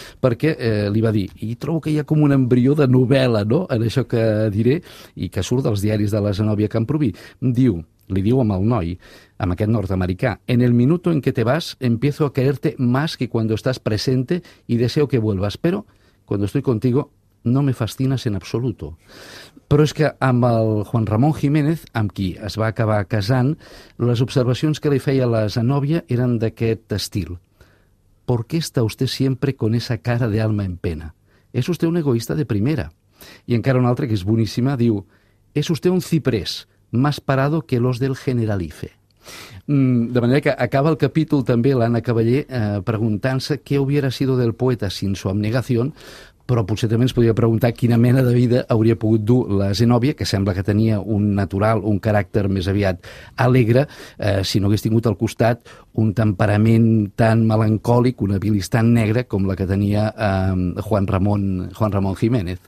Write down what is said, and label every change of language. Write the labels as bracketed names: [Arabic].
[Catalan] Perquè li va dir, i trobo que hi ha com un embrió de novel·la, no?, en això que diré, i que surt dels diaris de la Zenòbia Camprubí, diu, li diu amb el noi, amb aquest nord-americà, [Spanish] en el minuto en que te vas, empiezo a quererte más que cuando estás presente y deseo que vuelvas, pero cuando estoy contigo, no me fascinas en absoluto. [Catalan] Però és que amb el Juan Ramón Jiménez, amb qui es va acabar casant, les observacions que li feia la Zenòbia eren d'aquest estil. [Spanish] ¿Por qué está usted siempre con esa cara de alma en pena? ¿Es usted un egoísta de primera? [Catalan] I encara una altra que és boníssima, diu, és vostè un ciprés, [Spanish] más parado que los del Generalife. [Catalan] De manera que acaba el capítol també l'Anna Caballé preguntant-se què [Spanish] hubiera sido del poeta sin su abnegación, [Catalan] però potser també ens podria preguntar quina mena de vida hauria pogut dur la Zenòbia, que sembla que tenia un natural, un caràcter més aviat alegre, si no hagués tingut al costat un temperament tan melancòlic, una bilis tan negra com la que tenia Juan Ramón Jiménez.